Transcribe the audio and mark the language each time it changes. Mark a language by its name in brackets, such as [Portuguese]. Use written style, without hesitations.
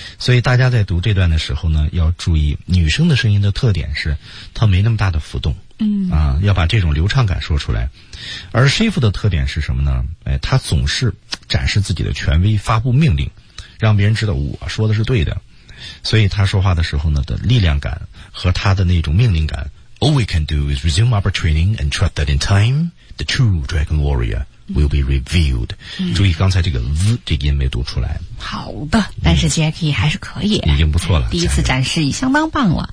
[Chinese] 所以大家在读这段的时候呢，要注意女生的声音的特点是它没那么大的浮动，嗯，啊，要把这种流畅感说出来。而 Shifu 的特点是什么呢，哎，他总是展示自己的权威，发布命令，让别人知道我说的是对的，所以他说话的时候呢的力量感和他的那种命令感。 [English] All we can do is resume our training and trust that in time the true dragon warrior will be revealed、嗯、 [Chinese] 注意刚才这个 V 这个音没读出来。好的，但是 Jackie 还是可以、嗯、已经不错了，第一次展示已相当棒了。